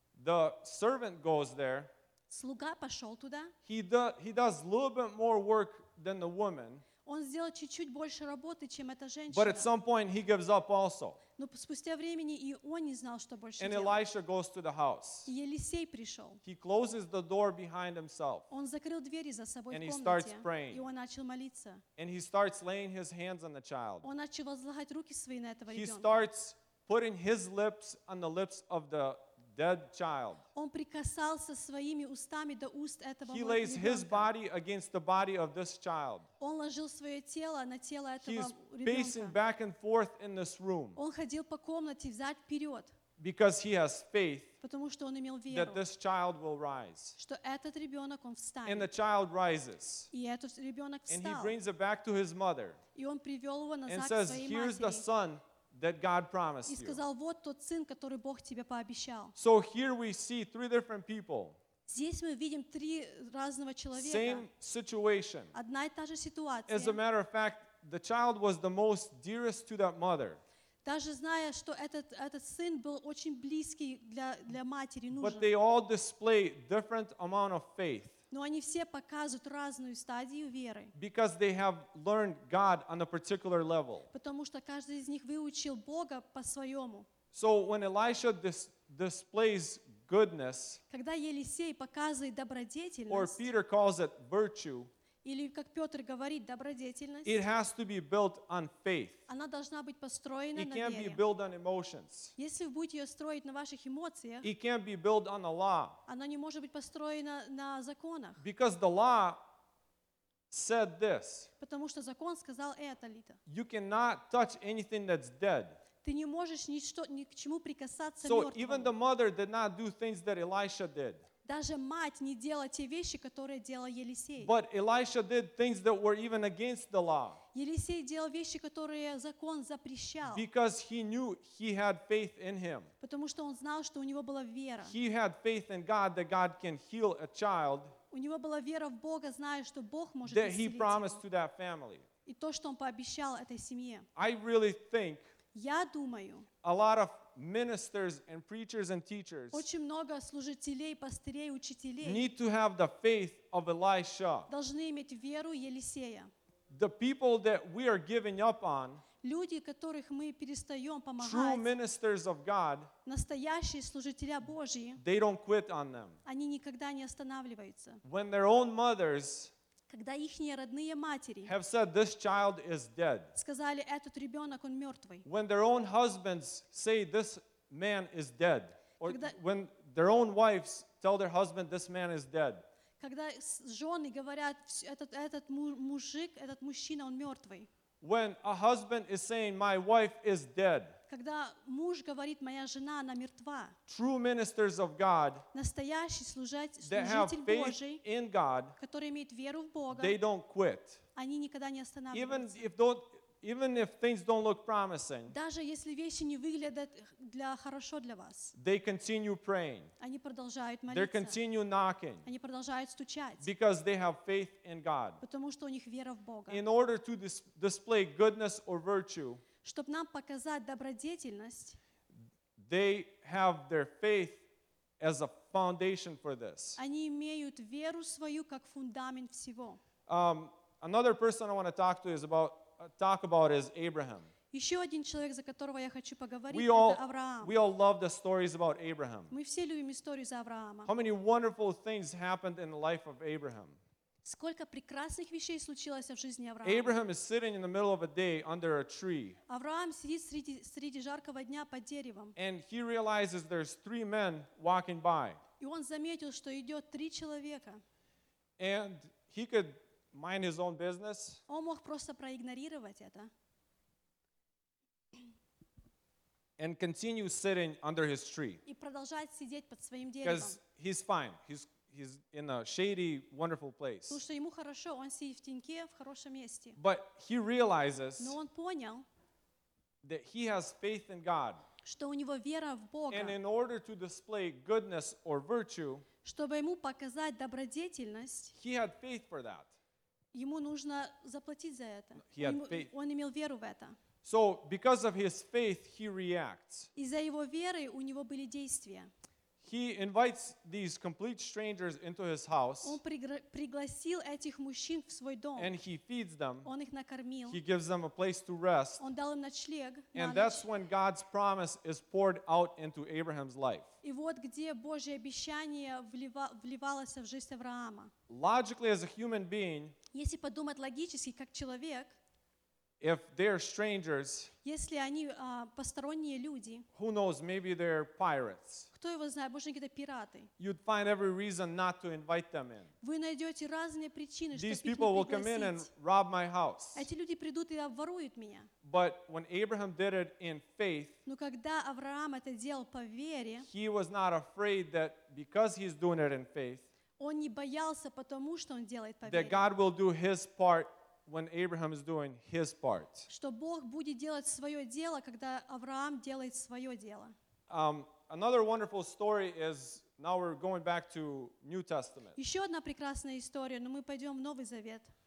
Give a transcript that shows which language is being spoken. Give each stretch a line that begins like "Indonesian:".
English: The servant goes there.
Russian: Слуга пошел туда.
English: He does a little bit more work than the woman.
Russian: Он сделал чуть-чуть больше работы, чем эта женщина. But at some point he gives up also. Но спустя времени и он не знал, что больше делать.
English: And Elisha goes to the house.
Russian: И Елисей пришел.
English: He closes the door behind himself.
Russian: Он закрыл двери за собой в комнате.
English: And he starts praying.
Russian: И он начал молиться.
English: And he starts laying his hands on the child.
Russian: Он начал возлагать руки свои на этого ребенка.
English: He starts putting his lips on the lips of the dead child.
Russian: Он прикасался своими устами до уст этого ребенка.
English: He lays his body against the body of this child.
Russian: Он ложил свое тело на тело этого ребенка.
English: He's pacing back and forth in this room.
Russian: Он ходил по комнате взад вперед.
English: Because he has faith.
Russian: Потому что он имел веру.
English: That this child will rise.
Russian: Что этот ребенок он встанет.
English: And the child rises.
Russian: И этот ребенок встал.
English: And he brings it back to his mother.
Russian: И он привел его назад к своей матери.
English: And says, "Here's the son that God promised you."
Russian: И сказал, вот тот сын, который Бог тебе пообещал.
English: So here we see three different people.
Russian: Здесь мы видим три разного человека.
English: Same situation.
Russian: Одна и та же ситуация.
English: As a matter of fact, the child was the most dearest to that mother.
Russian: Даже зная, что этот сын был очень близкий для матери, нужен.
English: But they all display different amount of faith.
Russian: Но они все показывают разную стадию веры.
English: Because they have learned God on a particular level.
Russian: Потому что каждый из них выучил Бога по-своему.
English: So when Elisha displays goodness,
Russian: когда Елисей показывает добродетельность,
English: or Peter calls it virtue,
Russian: или как Петр говорит, добродетельность,
English: it has to be built on faith.
Russian: Она должна быть построена на вере.
English: It can't be built on emotions.
Russian: Если вы будете ее строить на ваших эмоциях,
English: it can't be built on the law.
Russian: Она не может быть построена на законах.
English: Because the law said this.
Russian: Потому что закон сказал это, Лита.
English: You cannot touch anything that's dead.
Russian: Ты не можешь ни к чему прикасаться мертвому.
English: So even the mother did not do things that Elisha did.
Russian: Даже мать не делала те вещи, которые делал Елисей.
English: But Elisha did things that were even against the law.
Russian: Елисей делал вещи, которые закон запрещал.
English: Because he knew he had faith in him.
Russian: Потому что он знал, что у него была вера.
English: He had faith in God that God can heal a child.
Russian: У него была вера в Бога, зная, что Бог может исцелить.
English: That he promised to that family.
Russian: И то, что он пообещал этой семье.
English: I really think.
Russian: Я думаю.
English: A lot of ministers and preachers and teachers.
Russian: Очень много служителей, пастырей, учителей.
English: Need to have the faith of Elisha.
Russian: Должны иметь веру Елисея.
English: The people that we are giving up on.
Russian: Люди, которых мы перестаем помогать.
English: True ministers of God.
Russian: Настоящие служители Божьи.
English: They don't quit on them.
Russian: Они никогда не останавливаются.
English: When their own mothers.
Russian: Когда ихние родные матери.
English: Have said this child is dead.
Russian: Сказали, этот ребенок он мертвый.
English: When their own husbands say this man is dead. Or when their own wives tell their husband this man is dead.
Russian: Когда жены говорят, этот мужик, этот мужчина он мертвый.
English: When a husband is saying my wife is dead.
Russian: Когда муж говорит, моя жена, она мертва.
English: True ministers of God.
Russian: Настоящий служитель Божий.
English: In God.
Russian: Который имеет веру в Бога.
English: They don't quit.
Russian: Они никогда не останавливаются.
English: Even if, don't, Even if things don't look promising,
Russian: даже если вещи не выглядят для хорошо для вас,
English: they continue praying.
Russian: Они продолжают молиться.
English: They continue knocking.
Russian: Они продолжают стучать.
English: Because they have faith in God.
Russian: Потому что у них вера в Бога.
English: In order to display goodness or virtue,
Russian: чтобы нам показать добродетельность,
English: they have their faith as a foundation for this.
Russian: Они имеют веру свою как фундамент всего.
English: Another person I want to talk to is about. Talk about is Abraham.
Russian: Еще один человек, за которого я хочу поговорить, это Авраам.
English: We all love the stories about Abraham.
Russian: Мы все любим истории за Авраама.
English: How many wonderful things happened in the life of Abraham?
Russian: Сколько прекрасных вещей случилось в жизни Авраама.
English: Abraham is sitting in the middle of a day under a tree.
Russian: Авраам сидит среди жаркого дня под деревом.
English: And he realizes there's three men walking by.
Russian: И он заметил, что идет три человека.
English: And he could mind his own business.
Russian: Он мог просто проигнорировать это.
English: And continue sitting under his tree.
Russian: И продолжать сидеть под своим деревом.
English: Because he's fine. He's in a shady, wonderful place.
Russian: Потому что ему хорошо. Он сидит в теньке, в хорошем месте.
English: But he realizes.
Russian: Но он понял.
English: That he has faith in God.
Russian: Что у него вера в Бога.
English: And in order to display goodness or virtue.
Russian: Чтобы ему показать добродетельность.
English: He had faith for that.
Russian: Ему нужно заплатить за это.
English: He had faith.
Russian: Он имел веру в это.
English: So, because of his faith, he reacts.
Russian: Из-за его веры у него были действия.
English: He invites these complete strangers into his house.
Russian: Он пригласил этих мужчин в свой дом.
English: And he feeds them.
Russian: Он их накормил.
English: He gives them a place to rest.
Russian: Он дал им ночлег.
English: And that's when God's promise is poured out into Abraham's life.
Russian: И вот где Божье обещание вливалось в жизнь Авраама.
English: Logically, as a human being,
Russian: если подумать логически, как человек,
English: if they're strangers,
Russian: если они посторонние люди,
English: who knows, maybe they're pirates.
Russian: Кто его знает, может, они какие-то пираты.
English: You'd find every reason not to invite them in.
Russian: Вы найдете разные причины, чтобы их не пригласить.
English: These people will come in and rob my house.
Russian: Эти люди придут и обворуют меня.
English: But when Abraham did it in faith,
Russian: но когда Авраам это делал по вере,
English: he was not afraid that because he's doing it in faith,
Russian: он не боялся, потому что он делает по вере.
English: That God will do his part when Abraham is doing his part.
Russian: Что Бог будет делать свое дело, когда Авраам делает свое дело.
English: Another wonderful story is, now we're going back to New Testament.
Russian: Еще одна прекрасная история, но мы пойдем в Новый Завет.